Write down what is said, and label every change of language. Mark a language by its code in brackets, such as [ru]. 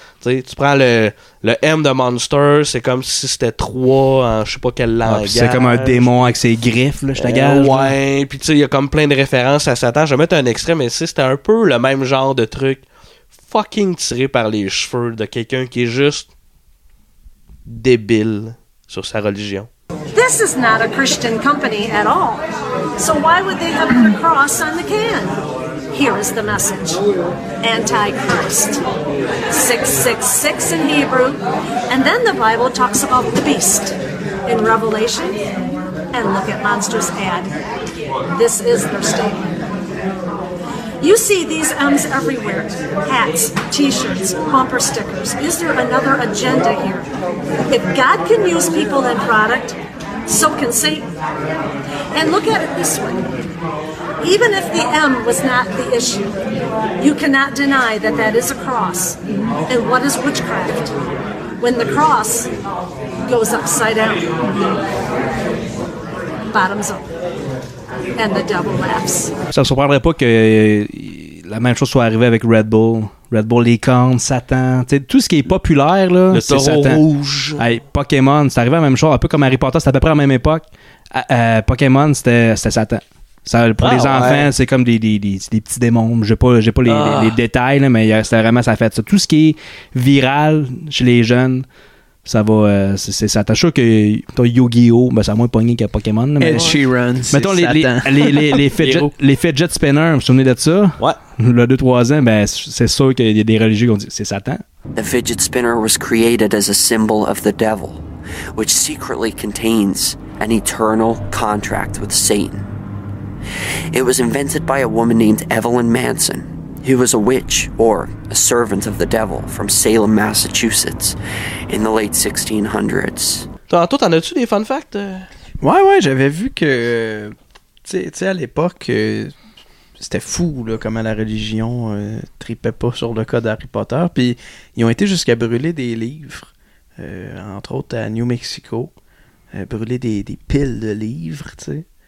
[fr] T'sais, tu prends le M de Monster, c'est comme si c'était 3 en je sais pas quelle langue. C'est comme un démon avec ses griffes, là, je t'agage. Ouais, puis il y a comme plein de références à Satan. Je vais mettre un extrait, mais c'était un peu le même genre de truc fucking tiré par les cheveux de quelqu'un qui est juste débile sur sa religion. [en] This is not a Christian company at all. So why would they have put a cross on the can? Here is the message. Antichrist. 666 in Hebrew. And then the Bible talks about the beast in Revelation. And look at Monster's ad. This is their statement. You see these M's everywhere. Hats, t-shirts, bumper stickers. Is there another agenda here? If God can use people and product, so can Satan. And look at it this way. Even if the M was not the issue, you cannot deny that that is a cross. And what is witchcraft? When the cross goes upside down. Bottoms up. and the devil laughs. [fr] Ça ne surprendrait pas que la même chose soit arrivée avec Red Bull. Red Bull, licorne, Satan, t'sais, tout ce qui est populaire, là, le c'est taureau Satan. Rouge. Hey, Pokémon, c'est arrivé à la même chose, un peu comme Harry Potter, c'était à peu près à la même époque. Pokémon, c'était Satan. Ça, pour ah, les enfants, ouais. C'est comme des petits démons. J'ai pas les, ah. les détails, là, mais c'était vraiment ça fait ça. Tout ce qui est viral chez les jeunes, ça va. C'est ça. T'as sûr que ton Yu-Gi-Oh! Ben, ça a moins pogné qu'à Pokémon. Là, mais Ed Sheeran, c'est mettons, Satan. Les fidget spinners, vous vous souvenez de ça? Ouais. Le 2-3 ans, ben, c'est sûr qu'il y a des religieux qui ont dit c'est Satan. [en] The fidget spinner was created as a symbol of the devil, which secretly contains an eternal contract with Satan. It was invented by a woman named Evelyn Manson, who was a witch, or a servant of the devil, from Salem, Massachusetts, in the late 1600s. [fr] Tantôt, t'en as-tu des fun facts? Ouais, j'avais vu que, t'sais, à l'époque, c'était fou, là, comment la religion tripait pas sur le cas d'Harry Potter, puis ils ont été jusqu'à brûler des livres, entre autres à New Mexico, brûler des piles de livres, t'sais.